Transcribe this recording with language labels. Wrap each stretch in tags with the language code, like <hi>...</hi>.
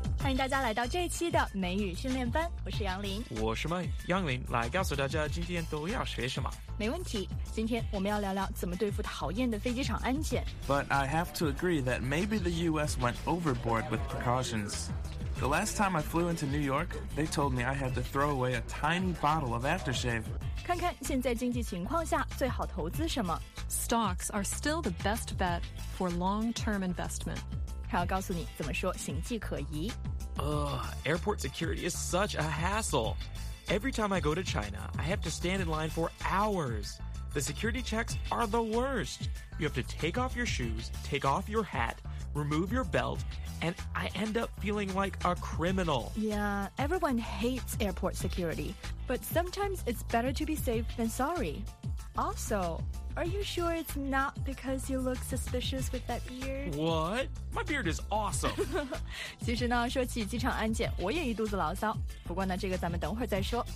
<zh>迎大家来到这期的美语训练班，我是杨林。我是麦杨林，来告诉大家今天都要学什么。没问题，今天我们要聊聊怎么对付讨厌的飞机场安检。</zh> <en>But I have to agree that maybe the US went overboard with precautions. The last time I flew into New York, they told me I had to throw away a tiny bottle of aftershave.</en> <zh>看看现在经济情况下最好投资什么。</zh> <en>Stocks are still the best bet for long-term investment.</en> <zh>还要告诉你怎么说行迹可疑。</zh> <en>Airport security is such a hassle. Every time I go to China, I have to stand in line for hours. The security checks are the worst. You have to take off your shoes, take off your hat, remove your belt, and I end up feeling like a criminal. Yeah, everyone hates airport security, but sometimes it's better to be safe than sorry. Also... Are you sure it's not because you look suspicious with that beard? What? My beard is awesome.</en> <zh>其实呢，说起机场安检，我也一肚子牢骚。不过呢，这个咱们等会儿再说。</zh>